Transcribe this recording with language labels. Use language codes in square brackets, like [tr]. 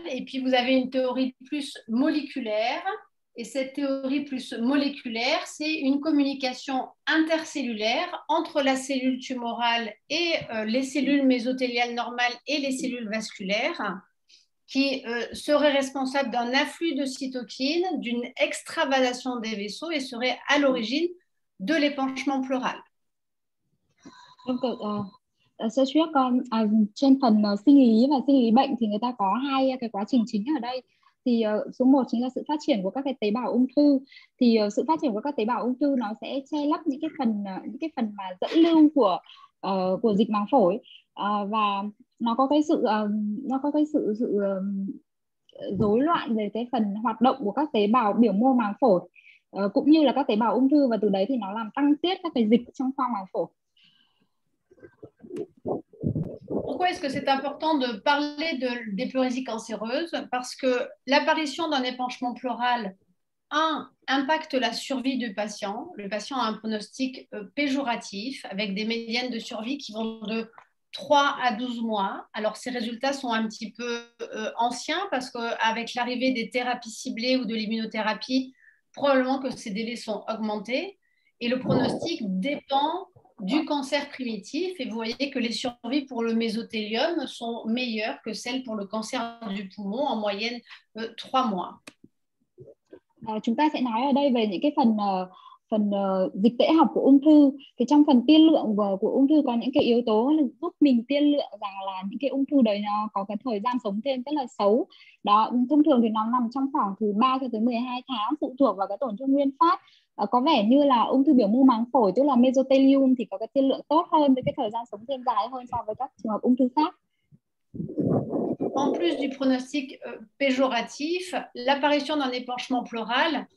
[fr] Et puis, vous avez une théorie plus moléculaire. Et cette théorie plus moléculaire, c'est une communication intercellulaire entre la cellule tumorale et les cellules mésothéliales normales et les cellules vasculaires, qui serait responsable d'un afflux de cytokines, d'une extravasation des vaisseaux et serait à l'origine de l'épanchement pleural. [vi] Sơ suyết con trên phần sinh lý và sinh lý bệnh thì người ta có hai cái quá trình chính ở đây. Thì số 1 chính là sự phát triển của các cái tế bào ung thư. Thì sự phát triển của các tế bào ung thư nó sẽ che lấp những cái phần mà dẫn lưu của dịch màng phổi, và nó có cái sự rối loạn về cái phần hoạt động của các tế bào biểu mô màng phổi, cũng như là các tế bào ung thư, và từ đấy thì nó làm tăng tiết các cái dịch trong khoang màng phổi. [fr] Pourquoi est-ce que c'est important de parler des pleurésies cancéreuses? Parce que l'apparition d'un épanchement pleural, un, impacte la survie du patient. Le patient a un pronostic péjoratif avec des médianes de survie qui vont de 3 à 12 mois. Alors, ces résultats sont un petit peu anciens parce qu'avec l'arrivée des thérapies ciblées ou de l'immunothérapie, probablement que ces délais sont augmentés et le pronostic dépend du cancer primitif, et vous voyez que les survies pour le mésothélium sont meilleures que celles pour le cancer du poumon, en moyenne 3 mois. [vi] Chúng ta sẽ nói ở đây về những cái phần phần dịch tễ học của ung thư. Thì trong phần tiên lượng của ung thư có những cái yếu tố là giúp mình tiên lượng rằng là những cái ung thư đấy nó có cái thời gian sống thêm rất là xấu. Đó, thông thường thì nó nằm trong khoảng từ 3 cho tới 12 tháng, phụ thuộc vào cái tổn thương nguyên phát. Có vẻ như là ung thư biểu mô màng phổi, tức là mesothelium, thì có cái tiên lượng tốt hơn với cái thời gian sống thêm dài hơn so với các trường hợp ung thư khác. [fr] En plus du pronostic péjoratif, l'apparition d'un épanchement pleural